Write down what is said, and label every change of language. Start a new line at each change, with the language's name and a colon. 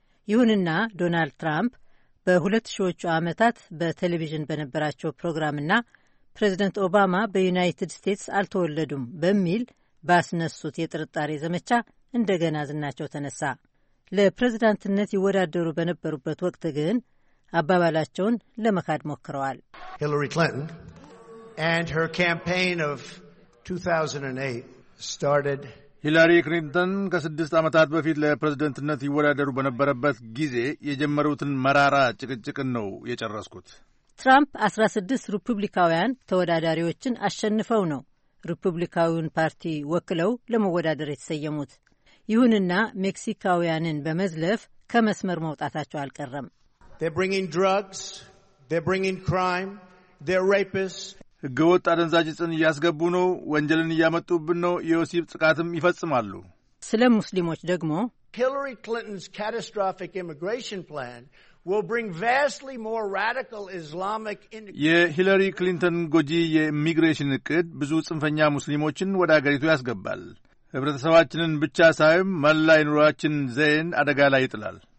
Amharic: ይሁንና ዶናልድ ትራምፕ በሁለት ሺዎቹ ዓመታት በቴሌቪዥን በነበራቸው ፕሮግራምና ፕሬዚደንት ኦባማ በዩናይትድ ስቴትስ አልተወለዱም በሚል ባስነሱት የጥርጣሬ ዘመቻ እንደገና ዝናቸው ተነሳ። ለፕሬዚዳንትነት ይወዳደሩ በነበሩበት ወቅት ግን አባባላቸውን ለመካድ ሞክረዋል። ሂላሪ ክሊንተን
English: and her campaign of 2008 started
Amharic: Hillary Clinton ከ6 አመታት በፊት ለፕሬዝዳንትነት ይወዳደሩ በነበረበት ጊዜ የጀመሩትን መራራ ጭቅጭቅ ነው የጨረስኩት። ትራምፕ 16 ሪፑብሊካውያን ተወዳዳሪዎችን አሸንፈው ነው ሪፑብሊካውን ፓርቲ ወክለው ለመወዳደር የተሰየሙት። ይሁንና ሜክሲካውያንን በመዝለፍ ከመስመር መውጣታቸው አልቀረም።
English: They're bringing drugs, they're bringing crime, they're rapists.
Amharic: ህገወጥ አደንዛዥ ዕፅን እያስገቡ ነው። ወንጀልን እያመጡብን ነው። የወሲብ ጥቃትም ይፈጽማሉ። ስለ ሙስሊሞች ደግሞ
English: ሂላሪ ክሊንተንስ ካታስትሮፊክ ኢሚግሬሽን ፕላን ዊል ብሪንግ ቫስትሊ ሞር ራዲካል ኢስላሚክ
Amharic: የሂላሪ ክሊንተን ጎጂ የኢሚግሬሽን እቅድ ብዙ ጽንፈኛ ሙስሊሞችን ወደ አገሪቱ ያስገባል። ህብረተሰባችንን ብቻ ሳይም መላ ኑሯችን ዘይን አደጋ ላይ ይጥላል።